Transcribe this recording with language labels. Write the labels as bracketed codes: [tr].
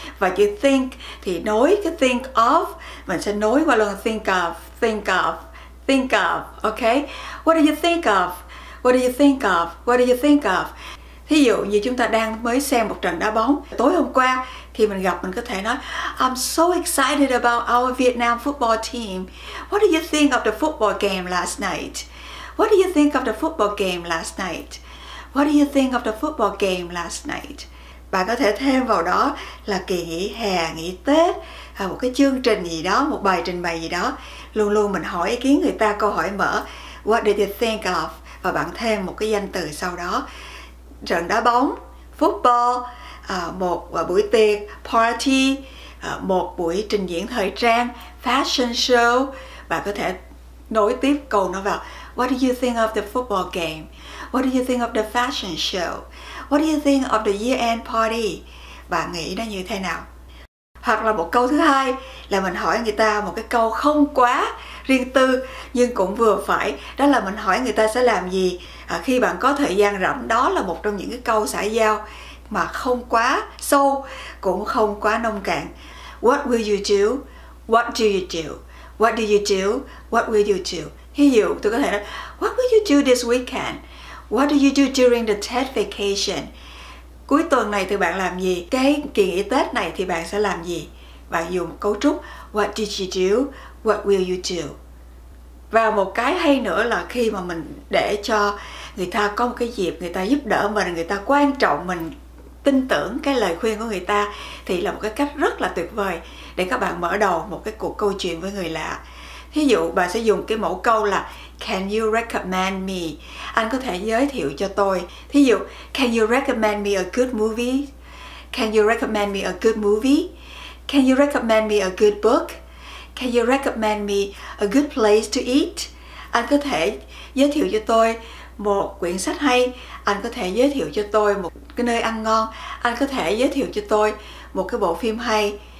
[vi] Và chữ think thì nối cái think of, mình sẽ nối qua luôn [en] think of, think of, think of, ok? What do you think of? What do you think of? What do you think of? [vi] Thí dụ như chúng ta đang mới xem một trận đá bóng tối hôm qua, khi mình gặp mình có thể nói [en] I'm so excited about our Vietnam football team. What do you think of the football game last night? What do you think of the football game last night? What do you think of the football game last night? [vi] Bạn có thể thêm vào đó là kỳ nghỉ hè, nghỉ Tết, hay một cái chương trình gì đó, một bài trình bày gì đó. Luôn luôn mình hỏi ý kiến người ta câu hỏi mở [en] What do you think of? [vi] Và bạn thêm một cái danh từ sau đó. Trận đá bóng, football, một buổi tiệc, party, một buổi trình diễn thời trang, fashion show. Bạn có thể nối tiếp câu nó vào [en] What do you think of the football game? What do you think of the fashion show? What do you think of the year-end party? [vi] Bạn nghĩ nó như thế nào? Hoặc là một câu thứ hai là mình hỏi người ta một cái câu không quá riêng tư nhưng cũng vừa phải. Đó là mình hỏi người ta sẽ làm gì khi bạn có thời gian rảnh. Đó là một trong những cái câu xã giao mà không quá sâu, cũng không quá nông cạn. [en] What will you do? What do you do? What do you do? What will you do? [vi] Ví dụ, tôi có thể nói [en] What will you do this weekend? What do you do during the Tết vacation? [vi] Cuối tuần này thì bạn làm gì? Cái kỳ nghỉ Tết này thì bạn sẽ làm gì? Bạn dùng cấu trúc [en] What did you do? [vi] What will you do? Và một cái hay nữa là khi mà mình để cho người ta có một cái dịp, người ta giúp đỡ mình, người ta quan trọng mình, tin tưởng cái lời khuyên của người ta, thì là một cái cách rất là tuyệt vời để các bạn mở đầu một cái cuộc câu chuyện với người lạ. Thí dụ, bạn sẽ dùng cái mẫu câu là [en] Can you recommend me? [vi] Anh có thể giới thiệu cho tôi. [en] Thí dụ, Can you recommend me a good movie? Can you recommend me a good movie? Can you recommend me a good book? Can you recommend me a good place to eat? [vi] Anh có thể giới thiệu cho tôi một quyển sách hay. Anh có thể giới thiệu cho tôi một cái nơi ăn ngon. Anh có thể giới thiệu cho tôi một cái bộ phim hay.